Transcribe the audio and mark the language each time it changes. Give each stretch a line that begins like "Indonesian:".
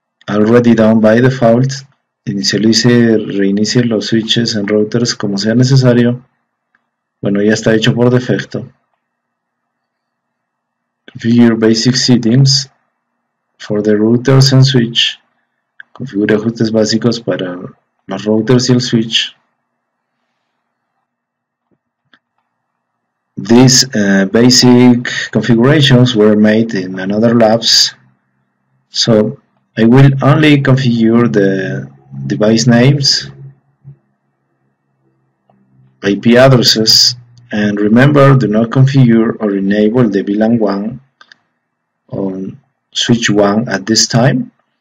English: Already done by default.
Spanish: Inicialice, reinicie los switches and routers como sea necesario. Bueno, ya está hecho por defecto.
English: Configure basic settings for the routers and switch.
Spanish: Configure ajustes básicos para los routers y el switch.
English: These basic configurations were made in another labs, so I will only configure the device names, IP addresses, and remember, do not configure or enable the VLAN 1 on switch 1 at this time.